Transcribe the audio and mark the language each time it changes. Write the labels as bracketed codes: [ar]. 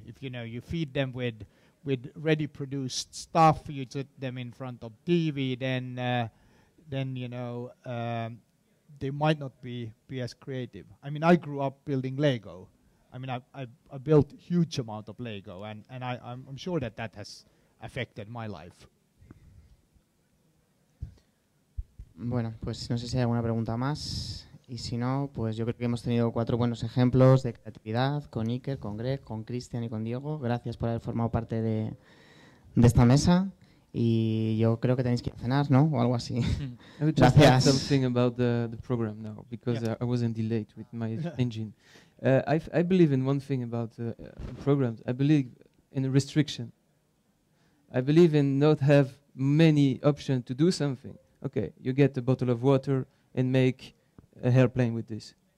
[en] If, you know, you feed them with ready produced stuff, you sit them in front of TV, then they might not be as creative. I mean, I grew up building Lego. I mean, I built huge amount of Lego, and I'm sure that has affected my life. [es] Bueno, pues no sé si hay alguna pregunta más. Y si no, pues yo creo que hemos tenido cuatro buenos ejemplos de creatividad con Iker, con Greg, con Cristian y con Diego. Gracias por haber formado parte de esta mesa. Y yo creo que tenéis que cenar, ¿no? O algo así. Gracias. [en] Just something about the program now, because yeah. I was in delay with my engine. I believe in one thing about programs. I believe in a restriction. I believe in not have many options to do something. Okay, you get a bottle of water and make a airplane with this.